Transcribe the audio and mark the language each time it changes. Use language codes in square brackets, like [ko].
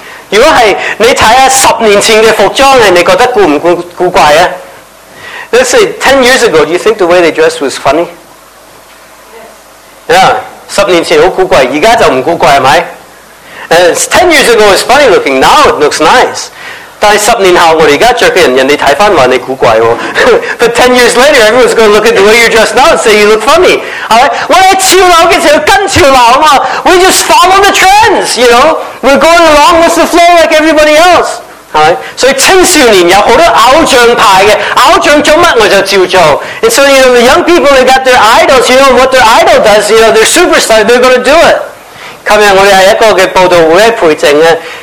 [zh] 如果是你看10年前的服装，你觉得古不古怪啊？ [en] Let's say 10 years ago, do you think the way they dressed was funny? Yes. Yeah, [zh] 10年前很古怪, 現在就不古怪, [en] right? And 10 years ago, it was funny looking, now it looks nice. [zh] 但是10年後我們現在穿的人家看回來你古怪 [en] But 10 years later everyone's going to look at the way you're dressed now and say you look funny. Alright, we just follow the trends, you know. We're going along with the flow like everybody else. [zh] Alright, 所以青少年有很多偶像派的偶像做什麼我就照做. [en] And so you know the young people, they got their idols. You know what their idol does, you know, they're superstar, they're going to do it. [zh] 昨天我們有一個報道會培正的